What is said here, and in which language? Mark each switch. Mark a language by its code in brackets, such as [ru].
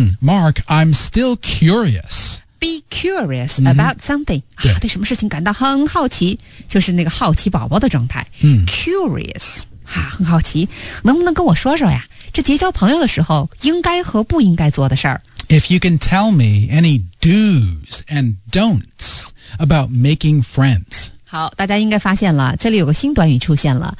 [en] Mark, I'm still curious. Be curious about something. [zh] 对什么事情感到很好奇，就是那个好奇宝宝的状态。 Curious, 很好奇，能不能跟我说说呀？这结交朋友的时候应该和不应该做的事儿。 [en] If you can tell me any do's and don'ts about making friends. [zh] 好，大家应该发现了，这里有个新短语出现了。